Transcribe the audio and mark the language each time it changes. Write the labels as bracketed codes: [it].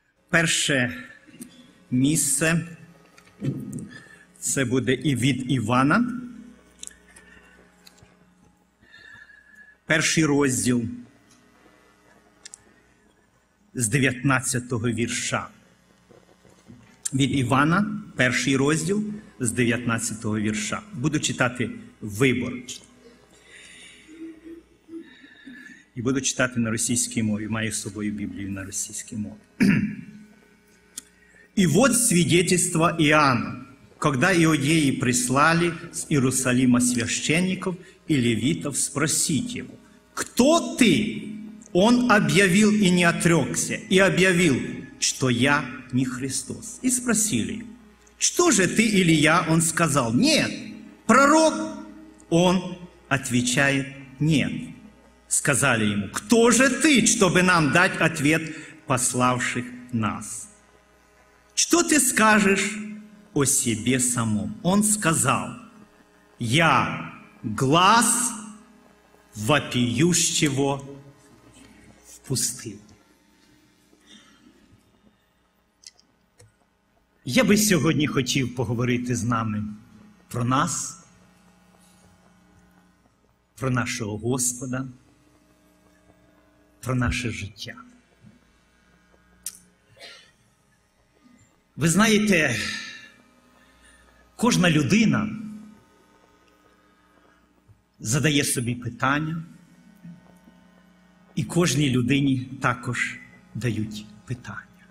[uk] Перше місце, це буде і від Івана, перший розділ з 19-го вірша. Від Івана, перший розділ з 19-го вірша. Буду читати виборочно. І буду читати на російській мові, маю з собою Біблію на російській мові. [ru] И вот свидетельство Иоанна, когда иудеи прислали с Иерусалима священников и левитов спросить его, кто ты? Он объявил и не отрекся, и объявил, что я не Христос. И спросили, что же ты или я? Он сказал, нет, пророк. Он отвечает, нет. Сказали ему, кто же ты, чтобы нам дать ответ пославших нас? Что ты скажешь о себе самом? Он сказал, я глас вопиющего в пустыне. Я бы сегодня хотел поговорить с нами про нас, про нашего Господа, про наше [uk] життя. Ви знаєте, кожна людина задає собі питання, і кожній людині також дають питання.